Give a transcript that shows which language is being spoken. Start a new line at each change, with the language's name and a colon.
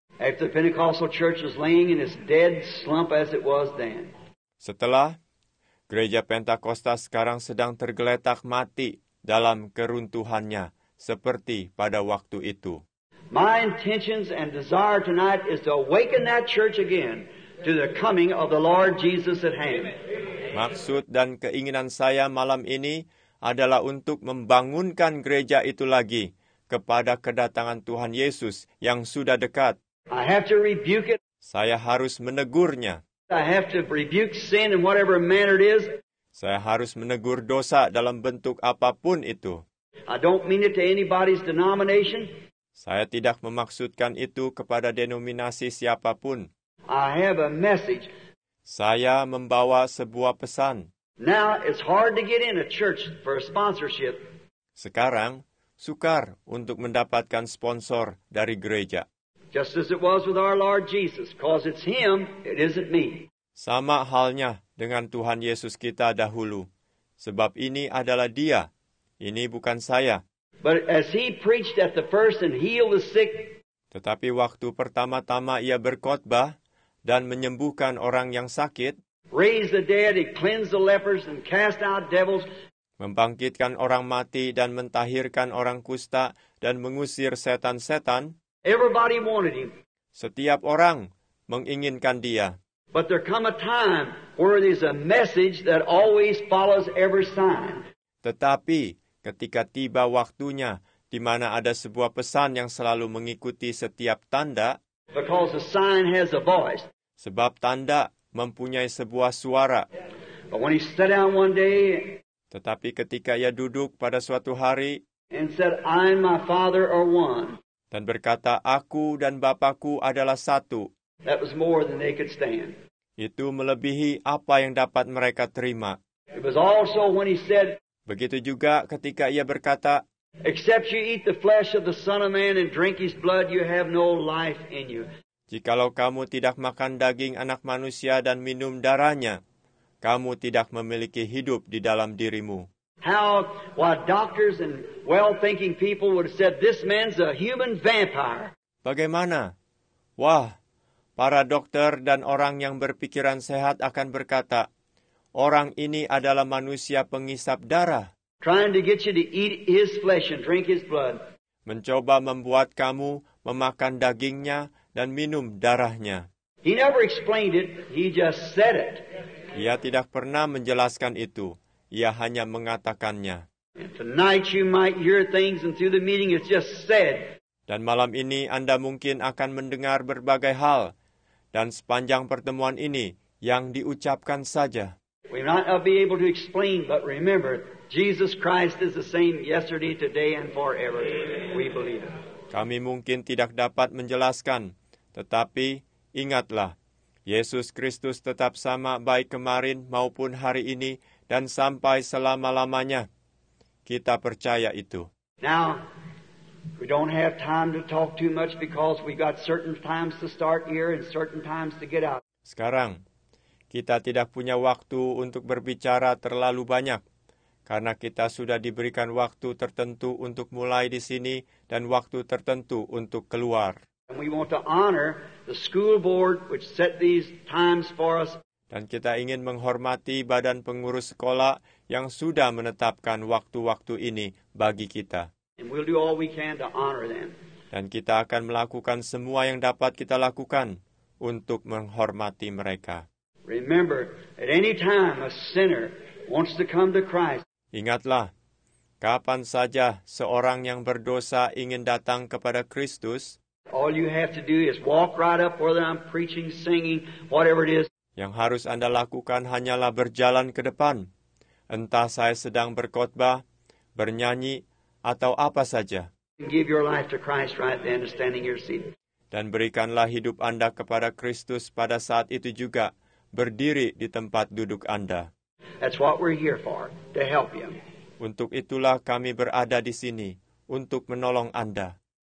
English: After the Pentecostal church was laying in its dead slump as it was then.
Indonesian: Setelah gereja Pentakosta sekarang sedang tergeletak mati dalam keruntuhannya seperti pada waktu itu.
English: My intentions and desire tonight is to awaken that church again to the coming of the Lord Jesus at hand.
Indonesian: Maksud dan keinginan saya malam ini adalah untuk membangunkan gereja itu lagi kepada kedatangan Tuhan Yesus yang sudah dekat.
English: I have to rebuke it.
Indonesian: Saya harus menegurnya.
English: I have to rebuke sin in whatever manner it is.
Indonesian: Saya harus menegur dosa dalam bentuk apapun itu.
English: I don't mean it to anybody's denomination.
Indonesian: Saya tidak memaksudkan itu kepada denominasi siapapun.
English: I have a message.
Indonesian: Saya membawa sebuah pesan.
English: Now it's hard to get in a church for a sponsorship.
Indonesian: Sekarang sukar untuk mendapatkan sponsor dari gereja.
English: Just as it was with our Lord Jesus, cause it's him, it isn't me.
Indonesian: Sama halnya dengan Tuhan Yesus kita dahulu. Sebab ini adalah dia, ini bukan saya.
English: But as he preached at the first and healed the sick.
Indonesian: Tetapi waktu pertama-tama ia berkhotbah dan menyembuhkan orang yang sakit.
English: Raised the dead, he cleansed the lepers and cast out devils.
Indonesian: Membangkitkan orang mati dan mentahirkan orang kusta dan mengusir setan-setan.
English: Everybody wanted him.
Indonesian: Setiap orang menginginkan dia.
English: But there come a time where there's a message that always follows every sign.
Indonesian: Tetapi ketika tiba waktunya di mana ada sebuah pesan yang selalu mengikuti setiap tanda.
English: Because the sign has a voice.
Indonesian: Sebab tanda mempunyai sebuah suara.
English: But when he sat down one day.
Indonesian: Tetapi ketika ia duduk pada suatu hari.
English: And said, I and my father are one.
Indonesian: Dan berkata, aku dan Bapakku adalah satu.
English: That was more than they could stand.
Indonesian: Itu melebihi apa yang dapat mereka terima.
English: It was also when he said,
Indonesian: begitu juga ketika ia berkata,
English: except you eat the flesh of the Son of Man and drink his blood, you have no life in you.
Indonesian: Jikalau kamu tidak makan daging anak manusia dan minum darahnya, kamu tidak memiliki hidup di dalam dirimu.
English: While doctors and well-thinking people would have said, this man's a human vampire.
Indonesian: Bagaimana? Wah, para dokter dan orang yang berpikiran sehat akan berkata, orang ini adalah manusia pengisap darah.
English: Trying to get you to eat his flesh and drink his blood.
Indonesian: Mencoba membuat kamu memakan dagingnya dan minum darahnya.
English: He never explained it, he just said it.
Indonesian: Ia tidak pernah menjelaskan itu. Ia hanya mengatakannya.
English: Tonight you might hear things and through the meeting it's just said.
Indonesian: Dan malam ini Anda mungkin akan mendengar berbagai hal dan sepanjang pertemuan ini yang diucapkan saja.
English: We might not be able to explain, but remember, Jesus Christ is the same yesterday, today and forever. We believe it.
Indonesian: Kami mungkin tidak dapat menjelaskan, tetapi ingatlah, Yesus Kristus tetap sama baik kemarin maupun hari ini. Dan sampai selama-lamanya, kita percaya itu.
English: Now, we don't have time to talk too much because we got certain times to start here and certain times to get out.
Indonesian: Sekarang, Kita tidak punya waktu untuk berbicara terlalu banyak, karena kita sudah diberikan waktu tertentu untuk mulai di sini dan waktu tertentu untuk keluar.
English: And we want to honor the school board which set these times for us.
Indonesian: Dan kita ingin menghormati badan pengurus sekolah yang sudah menetapkan waktu-waktu ini bagi kita.
English: And we'll do all we can to honor them.
Indonesian: Dan kita akan melakukan semua yang dapat kita lakukan untuk menghormati mereka.
English: Remember, at any time a sinner wants to come to Christ.
Indonesian: Ingatlah, kapan saja seorang yang berdosa ingin datang kepada Kristus.
English: All you have to do is walk right up, whether I'm preaching, singing, whatever it is.
Indonesian: Yang harus Anda lakukan hanyalah berjalan ke depan. Entah saya sedang berkhotbah, bernyanyi, atau apa saja.
English: Give your life to Christ right then, standing in your seat.
Indonesian: Dan berikanlah hidup Anda kepada Kristus pada saat itu juga, berdiri di tempat duduk Anda.
English: That's what we're here for, to help you.
Indonesian: Untuk itulah kami berada di sini, untuk menolong Anda.